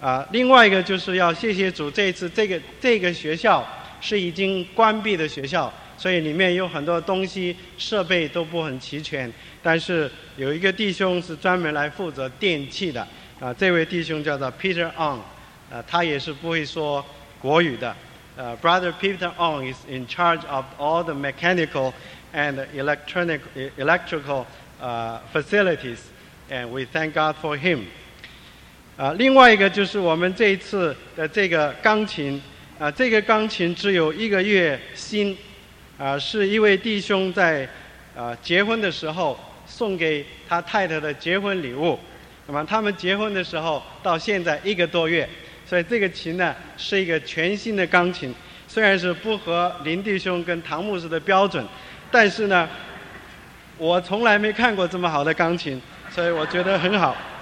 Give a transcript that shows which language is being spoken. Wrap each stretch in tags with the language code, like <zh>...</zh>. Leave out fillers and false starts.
<zh>另外一个就是要谢谢主，这一次这个学校是已经关闭的学校，所以里面有很多东西设备都不很齐全，但是有一个弟兄是专门来负责电器的，这位弟兄叫做 Peter Ong， 他也是不会说国语的。</zh> <en>Brother Peter Ong is in charge of all the mechanical and electrical facilities, and we thank God for him。</en> <zh>另外一个就是我们这一次的这个钢琴，这个钢琴只有一个月新，是一位弟兄在结婚的时候送给他太太的结婚礼物。那么他们结婚的时候到现在一个多月，所以这个琴呢是一个全新的钢琴，虽然是不合林弟兄跟唐牧师的标准，但是呢，我从来没看过这么好的钢琴，所以我觉得很好。</zh>